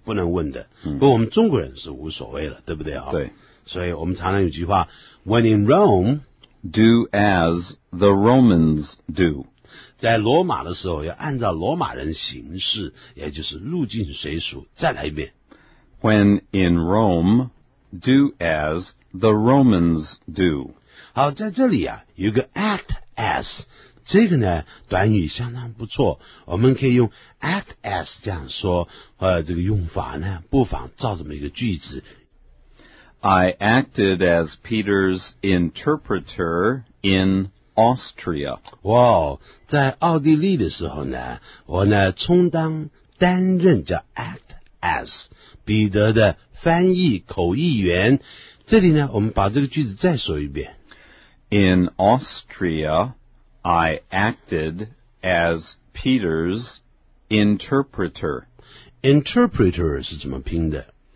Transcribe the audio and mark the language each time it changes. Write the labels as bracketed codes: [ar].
[zh] 不能问的。不过我们中国人是无所谓了，对不对？对。所以我们常常有句话， [en] When in Rome, do as the Romans do. [zh] 在罗马的时候要按照罗马人行事，也就是入境随俗。再来一遍， [en] When in Rome, do as the Romans do. [zh] 好，在这里啊，有个 act as, 这个呢短语相当不错，我们可以用 act as 这样说，这个用法呢不妨造这么一个句子。 [en] I acted as Peter's interpreter in Austria. [zh] 哇、wow, 在奥地利的时候呢，我呢充当担任叫 act as 彼得的翻译口译员。这里呢我们把这个句子再说一遍。 [en] In Austria, I acted as Peter's interpreter. [zh] Interpreter 是怎么拼的？